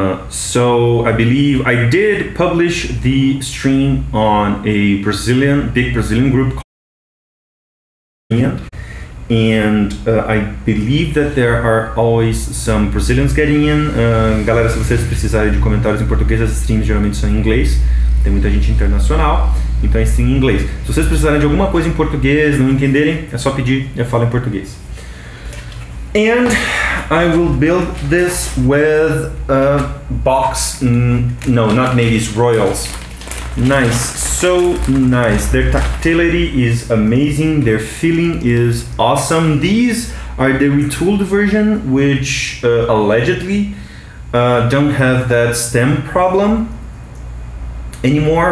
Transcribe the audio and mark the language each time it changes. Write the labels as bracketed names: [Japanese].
[English] So I believe I did publish the stream on a big Brazilian group called, and I believe that there are always some Brazilians getting in. [Portuguese] Galera, se vocês precisarem de comentários em português, as streams geralmente são em inglês. Tem muita gente internacional, então é stream em inglês. Se vocês precisarem de alguma coisa em português, não entenderem, é só pedir, eu falo em português. [English] And I will build this with a box, no, not navies, royals. Nice, so nice. Their tactility is amazing, their feeling is awesome. These are the retooled version, which allegedly don't have that stem problem anymore.